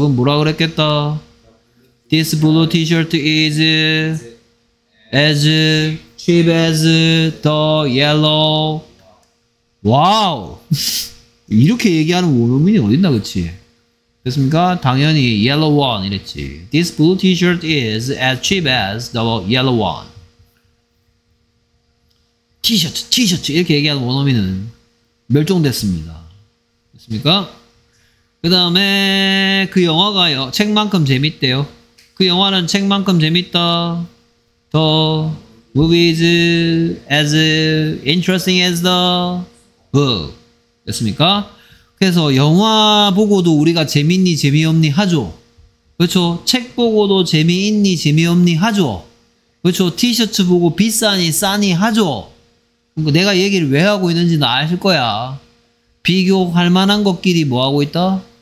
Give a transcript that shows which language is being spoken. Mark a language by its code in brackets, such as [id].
[ko] 그럼 뭐라 그랬겠다? [en] This blue t-shirt is... as cheap as the yellow. 와우. [ko] 이렇게 얘기하는 원어민이 어딨나, 그치? 됐습니까? 당연히 yellow one 이랬지. [en] This blue t-shirt is as cheap as the yellow one. [ko] t-shirt, t-shirt 이렇게 얘기하는 원어민은 멸종됐습니다. 됐습니까? 그 다음에 그 영화가 책만큼 재밌대요. 그 영화는 책만큼 재밌다. [en] The movie is as interesting as the book. [ko] 됐습니까? 그래서 영화 보고도 우리가 재밌니 재미없니 하죠. 그렇죠? 책 보고도 재미있니 재미없니 하죠. 그렇죠? 티셔츠 보고 비싸니 싸니 하죠. 그러니까 내가 얘기를 왜 하고 있는지는 아실 거야. 비교할 만한 것끼리 뭐하고 있다?